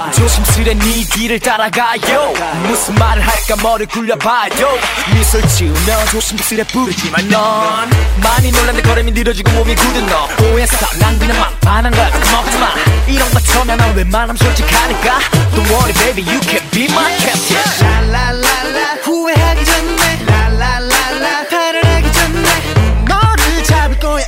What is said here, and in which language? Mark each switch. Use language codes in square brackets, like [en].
[ko] 조심스레 네 뒤를 따라가요. 무슨 말을 할까 머리 굴려봐요. 미소를 지으며 조심스레 부르지만 넌 많이 놀란데 걸음이 느려지고 몸이 굳은 너. 오해했어 난 그냥 막판한 거야. 겁먹지마. 이런 것 처음에 난 웬만하면 솔직하니까. [en] Don't worry baby you can be my captain. [ko] 랄랄랄라 후회하기 전에 랄랄랄라 탈을 하기 전에 너를 잡을 거야.